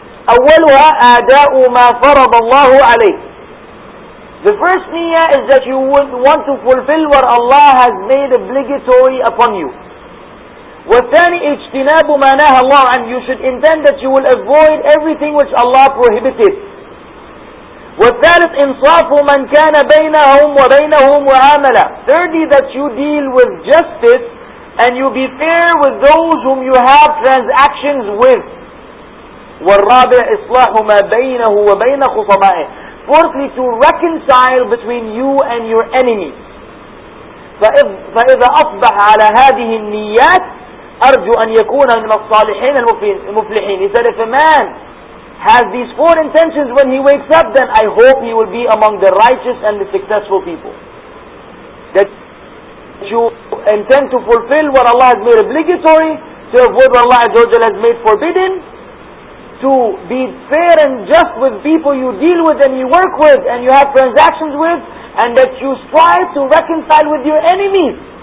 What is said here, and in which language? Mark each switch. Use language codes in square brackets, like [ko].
[ar] أولها أداء ما فرض الله عليه. [en] The first niyyah is that you would want to fulfill what Allah has made obligatory upon you. [ar] والثاني اجتناب ما نهى الله عنه. [en] You should intend that you will avoid everything which Allah prohibited. [ar] والثالث إنصاف من كان بينهم وبينهم معاملة. [en] Thirdly, that you deal with justice and you be fair with those whom you have transactions with. [ar] والرابع إصلاح ما بينه وبين خصمائه. [en] Fourthly, to reconcile between you and your enemy. [ar] فإذا أصبح على هذه النيات أرجو أن يكون من الصالحين المفلحين. [en] He said, if a man has these four intentions when he wakes up, then I hope he will be among the righteous and the successful people. That you intend to fulfill what Allah has made obligatory, to avoid what Allah has made forbidden, to be fair and just with people you deal with and you work with and you have transactions with, and that you strive to reconcile with your enemies.